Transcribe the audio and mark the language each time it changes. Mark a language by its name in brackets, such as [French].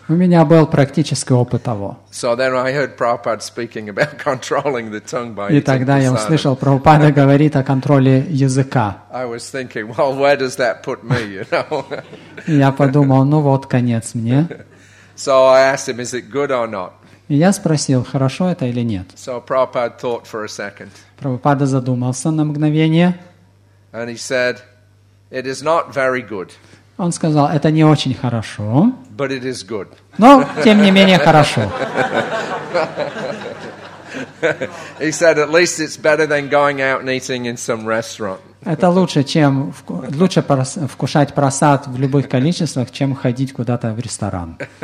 [Russian] У меня был практический опыт того. [English] So then I heard Prabhupada speaking about controlling the tongue by eating prasadam. [Russian] И тогда я услышал Прабхупада говорит о контроле языка. [English] I was thinking, well, where does that put me, you know? [Russian] Я подумал, ну вот конец мне. [English] So I asked him, is it good or not? [Russian] И я спросил, хорошо это или нет. [English] So Prabhupada thought for a second. [Russian] Прабхупада задумался на мгновение. [English] And he said, it is not very good. [Russian] Он сказал, это не очень хорошо. [English] But it is good. [Russian] Но тем не менее хорошо. [English] He said, at least it's better than going out and eating in some restaurant. [Russian] Это лучше вкушать просад в любых количествах, чем ходить куда-то в ресторан.